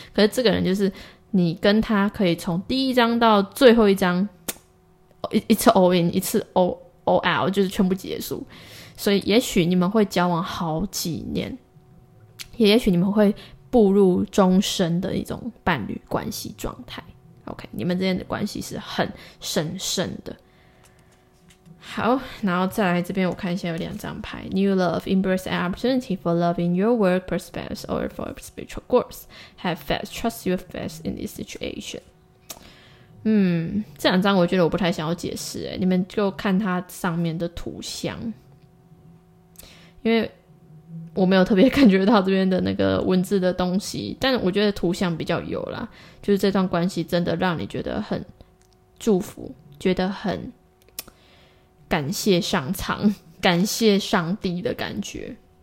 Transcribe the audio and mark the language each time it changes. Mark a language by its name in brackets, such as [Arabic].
[Chinese] 可是这个人就是你跟他可以从第一章到最后一章一次 all in 一次 all out 就是全部结束，所以也许你们会交往好几年，也许你们会步入终身的一种伴侣关系状态。 OK， 你们之间的关系是很神圣的。好，然后再来这边，我看一下有两张牌 [English] New love, embrace an opportunity for love in your work perspective or for spiritual course. Have faith, trust your faith in this situation. [Chinese] 这两张我觉得我不太想要解释，你们就看它上面的图像，因为我没有特别感觉到这边的那个文字的东西，但我觉得图像比较有啦，就是这段关系真的让你觉得很祝福，觉得很感谢上苍感谢上帝的感觉。